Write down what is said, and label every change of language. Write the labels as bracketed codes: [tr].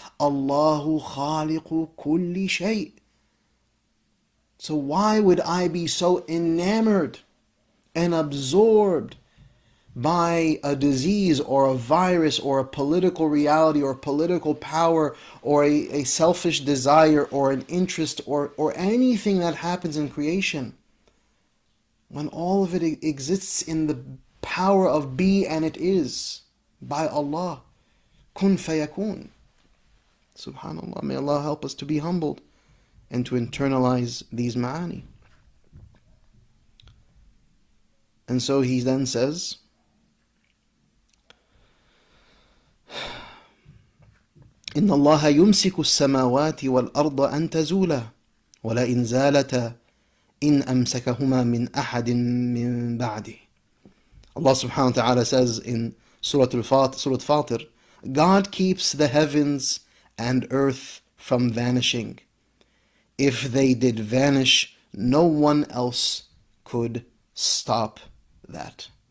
[en] Allahu khaliqu kulli shay'. So why would I be so enamored and absorbed by a disease or a virus or a political reality or political power or a selfish desire or an interest or anything that happens in creation, when all of it exists in the power of be and it is by Allah? Kun fayakun. Subhanallah. May Allah help us to be humbled and to internalize these ma'ani. And so he then says, [ar] إن الله يمسك السماوات والأرض أن تزولا ولئن زالتا إن أمسكهما من أحد من بعده. [en] Allah subhanahu wa ta'ala says in Surah Fatir, God keeps the heavens and earth from vanishing. If they did vanish, no one else could stop that.